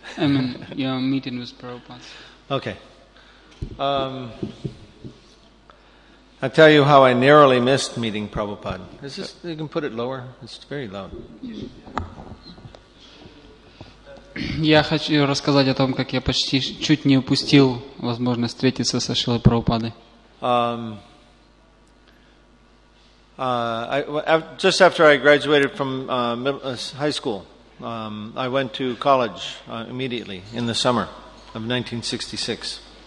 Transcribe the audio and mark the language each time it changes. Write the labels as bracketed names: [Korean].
[English] I mean, your meeting with Prabhupada. Okay. I'll tell you how I narrowly missed meeting Prabhupada. Is this, you can put it lower. It's very low. [Russian] Я хочу рассказать о том, как я почти чуть не упустил возможность встретиться со Шрилой Прабхупадой. [English] Just after I graduated from high school, I went to college immediately in the summer of 1966.